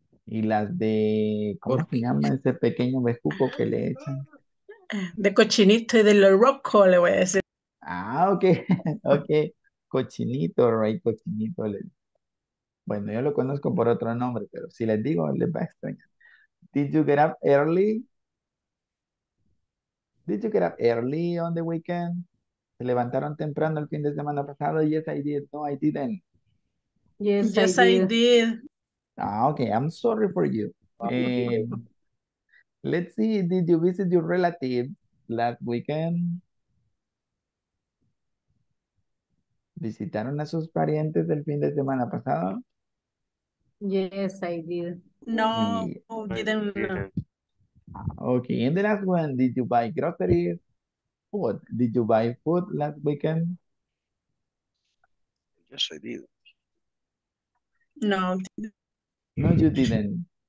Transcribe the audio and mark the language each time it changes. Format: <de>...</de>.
<es>Y las de, ¿cómo pork. Se llama ese pequeño bejuco que le echan? De cochinito y de lo roco, le voy a decir.</es> <en>Ah, okay. Okay. Cochinito, right? Cochinito.</en> <es>Bueno, yo lo conozco por otro nombre, pero si les digo, les va a extrañar.</es> <en>Did you get up early? Did you get up early on the weekend?</en> <es>¿Se levantaron temprano el fin de semana pasado?</es> <en>Yes, I did. No, I didn't. Yes, I did. Ah, okay. I'm sorry for you. Let's see. Did you visit your relative last weekend?</en> <es>¿Visitaron a sus parientes el fin de semana pasado?</es> <en>Yes, I did. No, I didn't. Okay, and the last one, did you buy groceries? Food? Did you buy food last weekend? Yes, I did. No, I didn't. No, you didn't.</en>